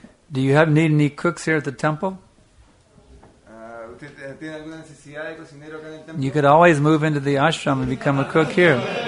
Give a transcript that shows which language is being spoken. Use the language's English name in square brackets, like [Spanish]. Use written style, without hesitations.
[English] Do you have need any cooks here at the temple? [Spanish] ¿Usted tiene alguna necesidad de cocinero acá en el templo? [English] You could always move into the ashram and become a cook here.